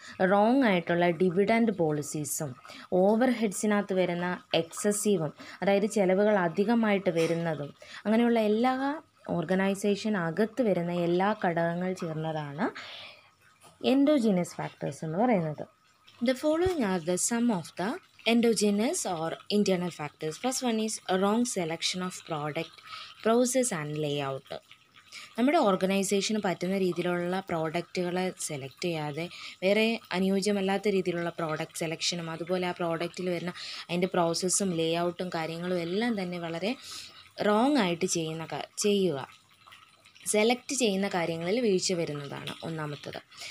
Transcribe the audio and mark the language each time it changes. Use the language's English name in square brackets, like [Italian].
[Malayalam] Wrong ആയിട്ടുള്ള dividend പോളിസീസും over ഹെഡ്സിനകത്ത് വരുന്ന എക്സസീവും, അതായത് ചിലവുകൾ അധികമായിട്ട് വരുന്നതും, അങ്ങനെയുള്ള എല്ലാ ഓർഗനൈസേഷൻ അകത്ത് വരുന്ന എല്ലാ ഘടകങ്ങൾ ചേർന്നതാണ് എൻഡോജിനസ് ഫാക്ടേഴ്സ് എന്ന് പറയുന്നത്. [English] The following are the some of the endogenous or internal factors. First one is wrong selection of product, process and layout. [Malayalam] നമ്മുടെ ഓർഗനൈസേഷന് പറ്റുന്ന രീതിയിലുള്ള പ്രോഡക്റ്റുകളെ സെലക്ട് ചെയ്യാതെ വേറെ അനുയോജ്യമല്ലാത്ത രീതിയിലുള്ള പ്രോഡക്റ്റ് സെലക്ഷനും അതുപോലെ ആ പ്രോഡക്റ്റിൽ വരുന്ന അതിൻ്റെ പ്രോസസ്സും ലേ ഔട്ടും കാര്യങ്ങളും എല്ലാം തന്നെ വളരെ റോങ് ആയിട്ട് ചെയ്യുക, സെലക്ട് ചെയ്യുന്ന കാര്യങ്ങളിൽ വീഴ്ച വരുന്നതാണ് ഒന്നാമത്തത്.